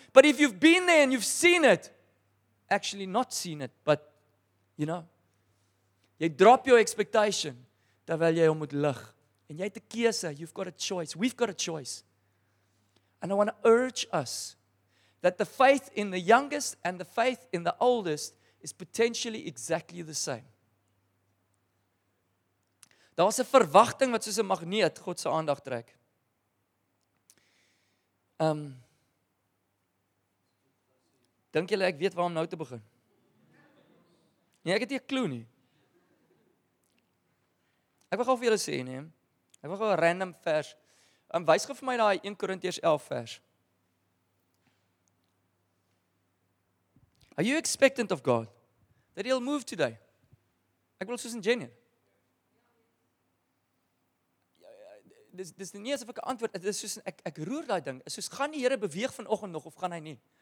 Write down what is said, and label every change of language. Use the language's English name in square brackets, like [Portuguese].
[English] But if you've been there and you've seen it, actually not seen it, but, you know, jy drop your expectation, [Afrikaans] terwyl jy hom moet lig. En jy het 'n keuse, [English] you've got a choice, we've got a choice. And I want to urge us that the faith in the youngest and the faith in the oldest is potentially exactly the same. [Afrikaans] Daar is 'n verwagting wat soos 'n magneet God se aandag trek. Dink julle ek weet waar om nou te begin? Nee, ek het nie 'n klou nie. Ek wil gou vir julle sê, nee. Ek wil gou 'n random vers. Wys gou vir my daai 1 Korintiërs 11 vers. [English] Are you expectant of God that he'll move today? [Afrikaans] Ek wil soos 'n genie. Dis nie eens of ek 'n antwoord, dit is soos ek roer daai ding, is soos gaan die Here beweeg vanoggend nog of gaan hy nie?